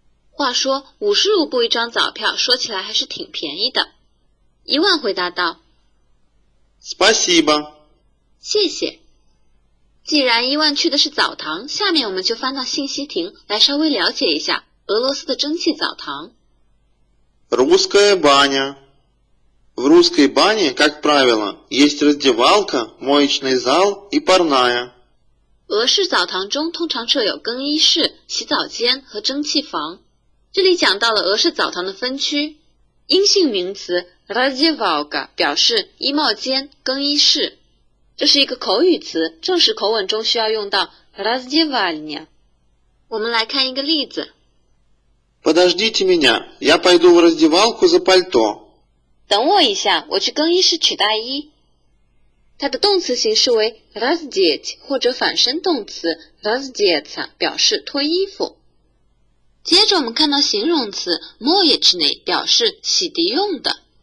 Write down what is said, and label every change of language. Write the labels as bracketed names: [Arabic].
[Chinese] 话说50卢布一张早票说起来还是挺便宜的。伊万回答道 [Russian] Спасибо [Chinese] 谢谢。既然伊万去的是澡堂，下面我们就翻到信息亭来稍微了解一下俄罗斯的蒸汽澡堂。 [Russian] Русская баня В русской бане, как правило, есть раздевалка, моечный зал и парная. [Chinese] 俄式澡堂中通常设有更衣室、洗澡间和蒸汽房。这里讲到了俄式澡堂的分区。阴性名词 раздевалка 表示衣帽间、更衣室。这是一个口语词，正式口吻中需要用到 раздевальня。我们来看一个例子。 [Russian] Подождите меня, я пойду в раздевалку за пальто. [Chinese] 等我一下，我去更衣室取大衣。它的动词形式为 раздеть 或者反身动词 раздеться 表示脱衣服。接着我们看到形容词 моечный 表示洗涤用的。